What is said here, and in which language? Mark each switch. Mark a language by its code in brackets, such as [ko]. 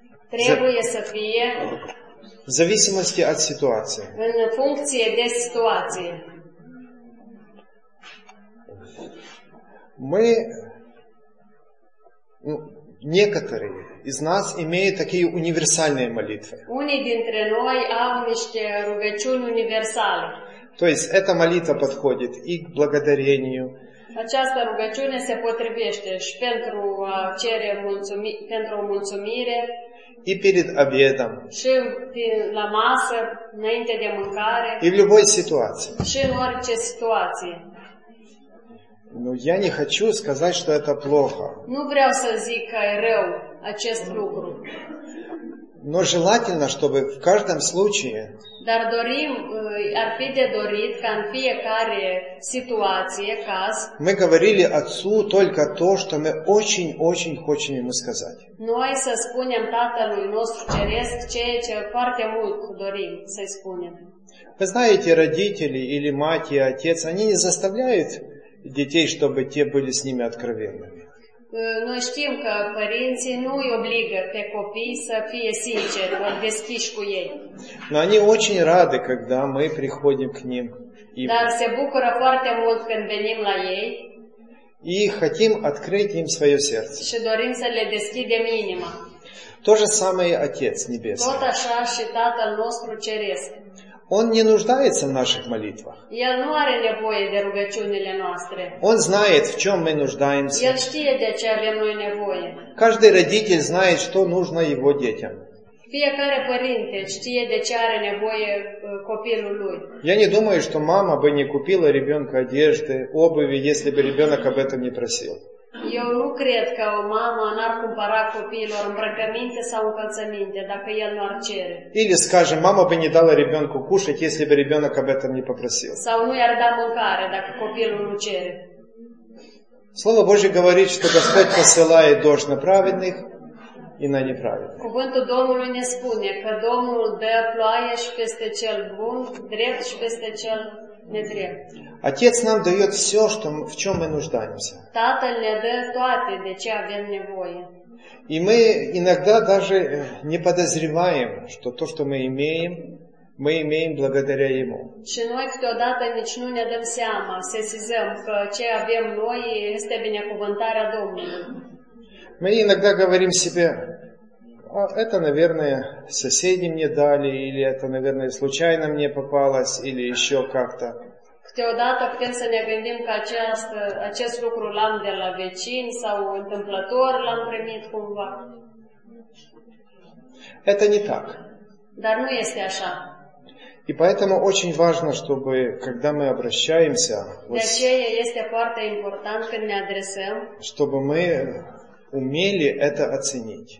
[ru] требуя софия в зависимости от ситуации. Функция без ситуации. Мы, некоторые из нас имеют такие универсальные молитвы. [ro] Unii dintre noi au niște rugăciuni universale. [ru] То есть эта молитва подходит и к благодарению. [ro] Această rugăciune se potrivește și pentru a cere mulțumire, pentru o mulțumire. [ru] И перед обедом. [ro] Și la masă, înainte de mâncare. [ru] И в любой ситуации. [ro] Și în orice situație. [ru] Ну, я не хочу сказать, что это плохо. [ro] Nu vreau să zic că e rău acest lucru. [ru] Но желательно, чтобы в каждом случае. [ro] Dar dorim, ar fi de dorit ca în fiecare situație, caz. [ru] Мы говорили отцу только то, что мы очень-очень хотим ему сказать. [ro] Noi să spunem tatălui nostru ceresc ceea ce foarte mult dorim să-i spunem. [ru] Вы знаете, родители или мать и отец, они не заставляют детей, чтобы те были с ними откровенными. [ro] Noi știm că părinții nu îi obligă pe copii să fie sinceri, vor deschiși cu ei. [ru] Но они очень рады, когда мы приходим к ним. [ro] Dar se bucură foarte mult când venim la ei. [ru] И хотим открыть им свое сердце. [ro] Și dorim să le deschidem inima. [ru] То же самое Отец Небесный. [ro] Tot așa și Tatăl nostru Ceresc. [ru] Он не нуждается в наших молитвах. [ro] El nu are nevoie de rugăciunile noastre. [ru] Он знает, в чем мы нуждаемся. [ro] El știe de ce avem noi nevoie. [ru] Каждый родитель знает, что нужно его детям. [ro] Fiecare părinte știe de ce are nevoie copilul lui. [ru] Я не думаю, что мама бы не купила ребенку одежды, обуви, если бы ребенок об этом не просил. [ro] Eu nu cred că o mamă n-ar cumpăra copiilor îmbrăcăminte sau încălțăminte dacă el nu ar cere. [ru] Или скажем, мама бы не дала ребенку кушать, если бы ребенок об этом не попросил. [ro] Sau nu i-ar da mâncare dacă copilul nu cere. [ru] Слово Божие говорит, что Господь посылает дождь на праведных и на неправедных. [ro] Cuvântul Domnului ne spune că Domnul dă ploaie și peste cel bun, drept și peste cel nedrept. [ru] Отец нам дает все, что, в чем мы нуждаемся. [ro] Tatăl ne dă toate, de ce avem nevoie. [ru] И мы иногда даже не подозреваем, что то, что мы имеем благодаря Ему. [ro] Și noi câteodată nici nu ne dăm seama, сезизем, că ce avem noi este binecuvântarea Domnului. [ru] Мы иногда говорим себе, а это, наверное, соседи мне дали, или это, наверное, случайно мне попалось, или еще как-то. [ro] Câteodată putem să ne gândim că acest lucru l-am de la vecini sau întâmplător l-am primit cumva. [ru] Это не так. [ro] Dar nu este așa. [ru] И поэтому очень важно, чтобы когда мы обращаемся, [ro] de aceea este foarte important când ne adresăm, [ru] чтобы мы умели это оценить.